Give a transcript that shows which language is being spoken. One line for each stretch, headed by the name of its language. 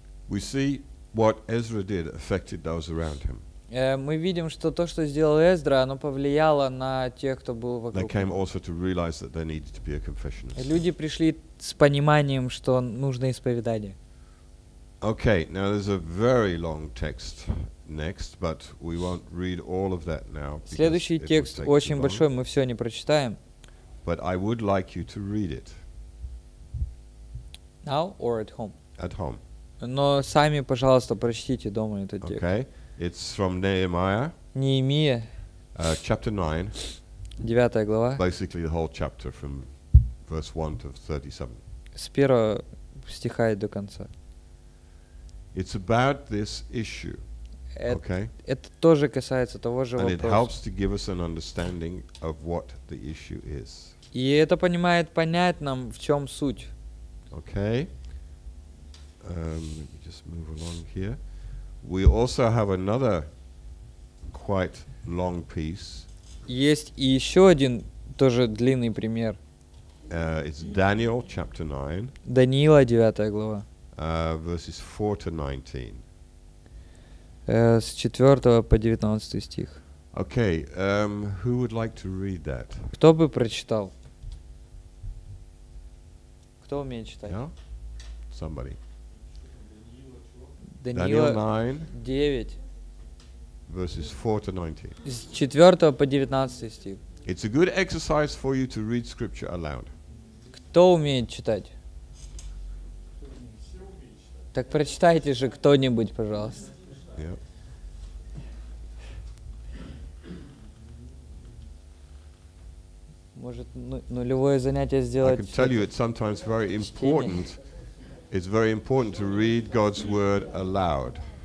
Russian: Мы видим, что то, что сделал Эзра, оно повлияло на тех, кто был вокруг. Люди пришли с пониманием, что нужно исповедание.
English: Okay, now there's a very long text next, but we won't read all of that now.
Russian: Следующий текст очень большой, мы все не прочитаем.
English: But I would like you to read it. Now or at home? At home.
Russian: Но сами, пожалуйста, прочтите дома этот
English: okay.
Russian: текст.
English: Okay, it's from Nehemiah.
Russian: Неемия.
English: Chapter 9.
Russian: Девятая глава.
English: Basically the whole chapter from verse 1 to 37.
Russian: С первого стиха и до конца.
English: It's about this issue. Okay.
Russian: Это тоже касается того же вопроса.
English: And it helps to give us an understanding of what the issue is.
Russian: И это помогает понять нам, в чем суть.
English: Okay. Let me just move along here. We also have another quite long piece.
Russian: Есть и еще один тоже длинный пример.
English: It's Daniel chapter 9.
Russian: Даниила 9 глава.
English: Verses 4 to 19.
Russian: С 4 по 19 стих.
English: Okay, who would like to read that?
Russian: Кто бы прочитал? Кто умеет читать?
English: No? Somebody.
Russian: Даниил 9.
English: Verses 4 to 19.
Russian: С 4 по 19 стих.
English: It's a good exercise for you to read scripture aloud.
Russian: Кто умеет читать? Так прочитайте же кто-нибудь, пожалуйста.
English: Yep.
Russian: Может, нулевое занятие сделать?
English: I can tell you it's sometimes very important. It's very important to read God's word aloud.